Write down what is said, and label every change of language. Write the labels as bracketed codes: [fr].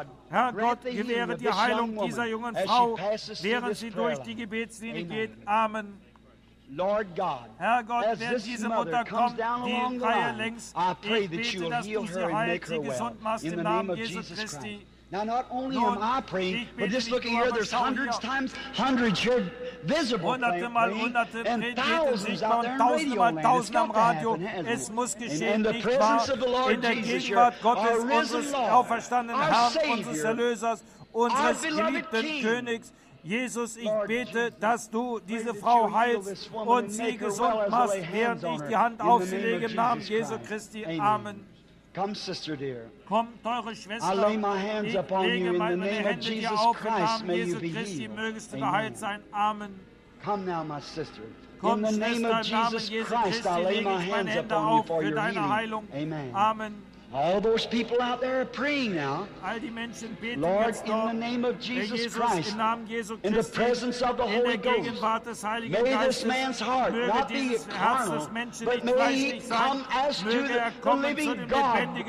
[de] Herr Gott, gewähre die Heilung dieser jungen Frau, während sie durch die Gebetslinie geht. Amen. [en] Lord God, [de] Herr Gott, wenn diese Mutter kommt, die Reihe längst, ich bete, dass du sie heilst, sie gesund machst, im Namen Jesu Christi. [en] Now, not only am I praying, but just looking here, there's hundreds times, hundreds here visible praying, and thousands out there in radio land. Radio. It's got to happen, hasn't it? In the presence of the Lord Jesus, your risen Lord, our Savior, our beloved King, Königs. [de] Jesus, ich bete, dass du diese Frau heilst und sie gesund machst, während ich die Hand auf sie lege, im Namen Jesu Christi. Amen. Komm, teure Schwester, ich lege meine Hände dir auf, im Namen Jesu Christi, mögest du geheilt sein. Amen. Komm, Schwester, im Namen Jesu Christi lege ich meine Hände auf für deine Heilung. Amen. Amen. [en] All those people out there are praying now. [de] All die Menschen beten [en] Lord, in the name of Jesus Christ, [de] im Namen Jesu Christi, [en] in the presence of the Holy Ghost, may this man's heart [de] möge [en] not be carnal, but may he come as to the living God.